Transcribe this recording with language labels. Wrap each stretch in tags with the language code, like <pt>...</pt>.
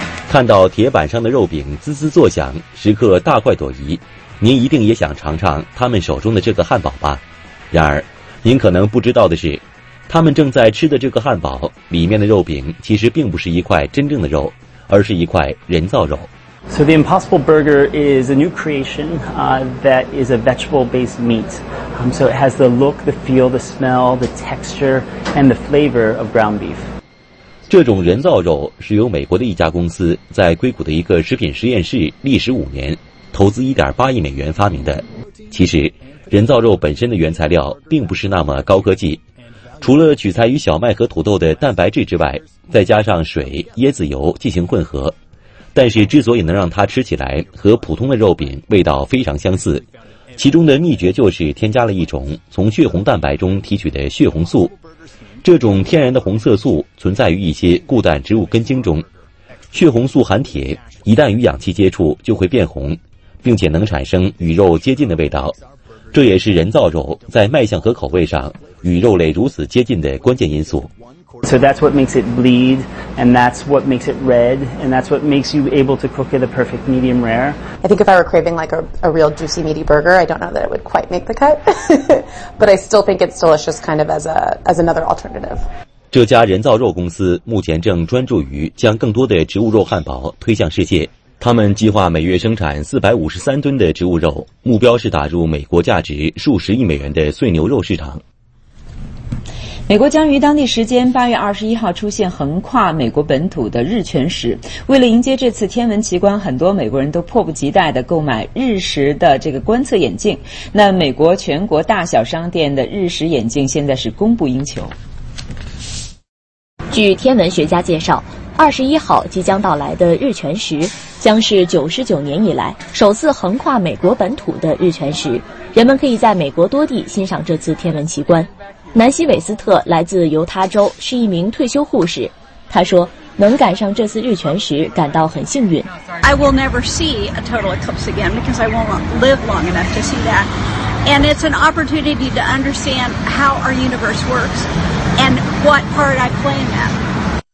<zh>看到铁板上的肉饼滋滋作响，食客大快朵颐，您一定也想尝尝他们手中的这个汉堡吧。然而您可能不知道的是，他们正在吃的这个汉堡里面的肉饼其实并不是一块真正的肉，而是一块人造肉。</zh> <en>So the Impossible Burger is a new creation that is a vegetable-based meat. So it has the look, the feel, the smell, the texture, and the flavor of ground beef.</en> <zh>这种人造肉是由美国的一家公司在硅谷的一个食品实验室历时5年，投资$1.8亿发明的。其实人造肉本身的原材料并不是那么高科技，除了取材于小麦和土豆的蛋白质之外，再加上水、椰子油进行混合。但是之所以能让它吃起来和普通的肉饼味道非常相似，其中的秘诀就是添加了一种从血红蛋白中提取的血红素。这种天然的红色素存在于一些固氮植物根茎中，血红素含铁，一旦与氧气接触就会变红，并且能产生与肉接近的味道，这也是人造肉在卖相和口味上与肉类如此接近的关键因素。</zh> <en>So that's what makes it bleed, and that's what makes it red, and that's what makes you able to cook it a perfect medium rare. I think if I were craving like a real juicy meaty burger, I don't know that it would quite make the cut. But I still think it's delicious kind of as another alternative.</en> <zh>这家人造肉公司目前正专注于将更多的植物肉汉堡推向世界。他们计划每月生产453吨的植物肉，目标是打入美国价值数十亿美元的碎牛肉市场。美国将于当地时间8月21号出现横跨美国本土的日全食。为了迎接这次天文奇观，很多美国人都迫不及待地购买日食的这个观测眼镜。那美国全国大小商店的日食眼镜现在是供不应求。据天文学家介绍，21号即将到来的日全食将是99年以来首次横跨美国本土的日全食，人们可以在美国多地欣赏这次天文奇观。南希·韦斯特来自犹他州，是一名退休护士。他说能赶上这次日全食感到很幸运。</zh> <en>I will never see a total eclipse again because I won't live long enough to see that. And it's an opportunity to understand how our universe works and what part I play in that.</en>